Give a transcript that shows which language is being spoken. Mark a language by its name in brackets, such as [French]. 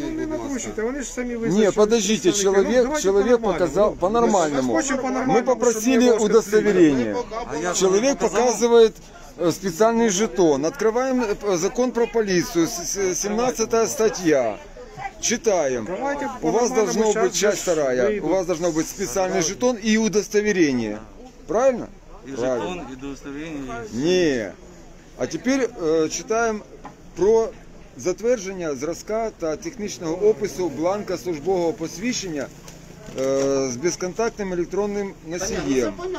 [Ukrainian] Ви не накручуйте, вони ж самі визначили. Ні, подождіть, чоловік показав по-нормальному. Ми попросили удостовірення. Чоловік показує спеціальний жетон. Відкриваємо закон про поліцію, 17 стаття. Читаємо. [Russian] У вас должно быть часть вторая. У вас должно быть специальный жетон и удостоверение. Правильно? И жетон, и удостоверение. Не. А теперь читаем [Ukrainian] про затвердження зразка та технічного опису бланка службового посвідчення з безконтактним електронним носієм.